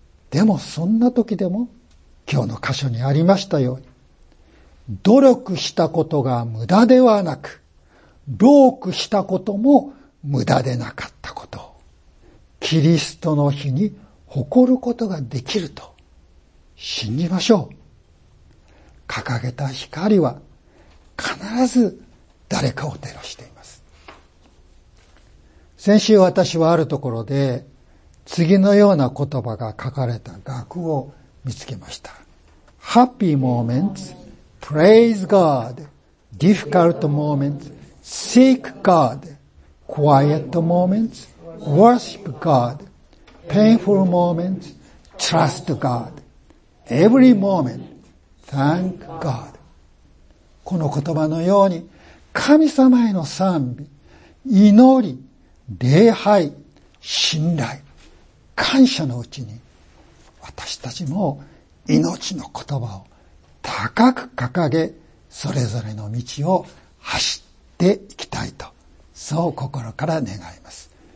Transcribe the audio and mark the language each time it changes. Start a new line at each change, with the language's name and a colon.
Japanese: でもそんな時でも、今日の箇所にありましたように、努力したことが無駄ではなく、労苦したことも無駄でなかったこと、キリストの日に誇ることができると信じましょう。掲げた光は必ず誰かを照らしています。先週私はあるところで次のような言葉が書かれた額を見つけました。
English: Happy momentsPraise God, difficult moments, seek God, quiet moments, worship God, painful moments, trust God, every moment, Thank God。
Japanese: この言葉のように神様への賛美、祈り、礼拝、信頼、感謝のうちに私たちも命の言葉を高く掲げ、それぞれの道を走っていきたいと、そう心から願います。